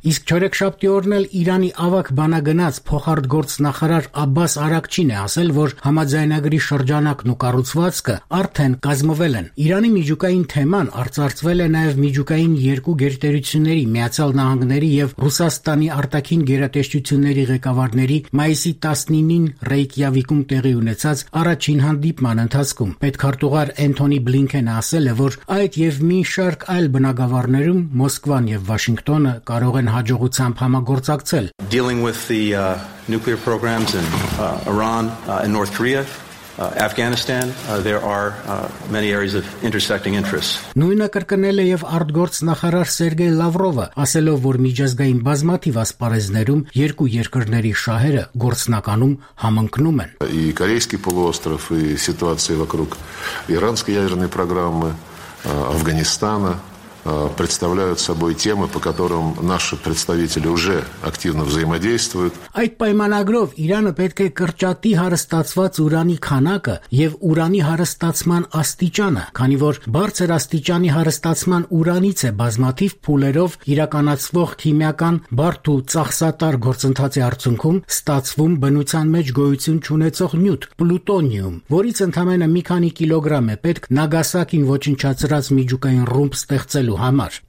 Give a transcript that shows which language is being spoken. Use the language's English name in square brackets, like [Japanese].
[Armenian] Իսկ չորեքշաբթի օրն էլ Իրանի ավագ բանագնաց փոխարտգործ նախարար Աբաս Արակչին է ասել, որ համաձայնագրի շրջանակն ու կառուցվածքը արդեն կազմվել են։ Իրանի միջուկային թեման արձարծվել է նաև միջուկային երկու գերտերությունների, Միացյալ Նահանգների և Ռուսաստանի արտաքին գերատեսչությունների ղեկավարների մայիսի 19-ին Ռեյկյավիկում տեղի ունեցած առաջին հանդիպման ընթացքում։ Պետքարտուղար Էնթոնի Բլինքենը ասել է, որ այդ և մի շարք այլ բնագավառներում Մոսկվան և Վաշինգտոնը կարող են հաջողությամբ համագործակցել։ [English] Dealing with the nuclear programs in Iran and North Korea, Afghanistan, there are many areas of intersecting interests. [Armenian] Նույնը կրկնել է եւ արտգործ նախարար Սերգեյ Լավրովը, ասելով, որ միջազգային բազմաթիվ ասպարեզներում երկու երկրների շահերը գործնականում համընկնում են. [Russian] И Корейский полуостров и ситуация вокруг иранской ядерной программы, Афганистана представляют собой темы, по которым наши представители уже активно взаимодействуют. [Armenian] Այդ պայմանագրով Իրանը պետք է կրճատի հարստացված ուրանի քանակը եւ ուրանի հարստացման աստիճանը, քանի որ բարձր աստիճանի հարստացման ուրանից է բազմաթիվ փուլերով իրականացվող քիմիական բարդ ու ծախսատար գործընթացի արդյունքում ստացվում բնության մեջ գոյություն ունեցող նյութ՝ պլուտոնիում, որից ընդամենը մի քանի կիլոգրամ է պետք Նագասակին ոչնչացրած միջուկային ռումբ ստեղծել համար։